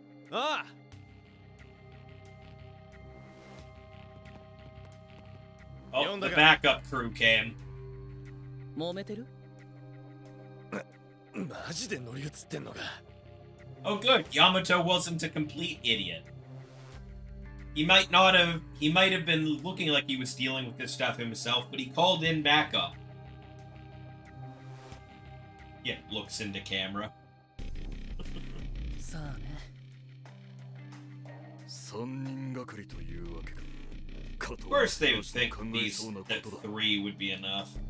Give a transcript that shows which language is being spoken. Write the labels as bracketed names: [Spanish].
[Japanese] ああ。 [English] Oh, the backup crew came. [Japanese] 揉めてる? マジで乗り移ってんのか? [English] Oh, good. Yamato wasn't a complete idiot. He might have been looking like he was dealing with this stuff himself, but he called in backup. Yeah, looks into camera. [Japanese] そうね。三人がかりというわけか。かと。 [English] First they would think that three would be enough.